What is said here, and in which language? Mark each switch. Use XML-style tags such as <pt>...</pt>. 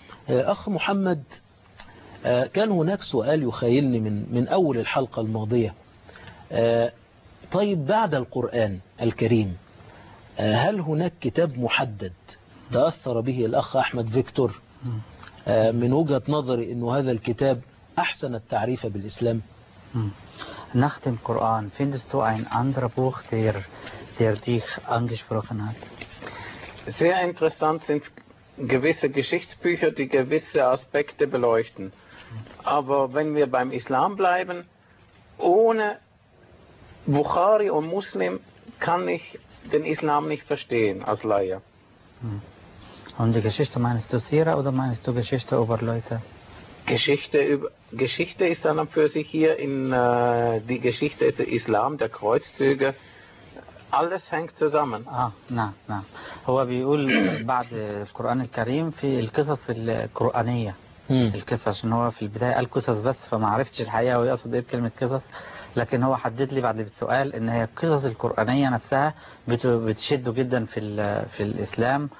<ar>أخ محمد، كان هناك سؤال يخيلني من أول الحلقة الماضية. طيب بعد القرآن الكريم هل هناك كتاب محدد تأثر به الأخ أحمد فيكتور من وجهة نظري أنه هذا الكتاب أحسن التعريف بالإسلام؟</ar> <de>Nach dem Koran findest du ein anderes Buch, der dich angesprochen hat? Sehr interessant sind gewisse Geschichtsbücher, die gewisse Aspekte beleuchten. Aber wenn wir beim Islam bleiben, ohne Bukhari und Muslim kann ich den Islam nicht verstehen als Laie. Und die Geschichte, meinst du Sira oder meinst du Geschichte über Leute? Geschichte ist dann für sich hier in die Geschichte des Islam, der Kreuzzüge, alles hängt zusammen.</de> <ar>هو بيقول بعد القرآن الكريم في القصص القرآنية. القصص إن هو في البداية القصص بس، فما عرفتش الحقيقة هو يقصد إيه بكلمة قصص، لكن هو حدد لي بعد السؤال إن هي القصص القرآنية نفسها بتشده جدا في الإسلام.</ar>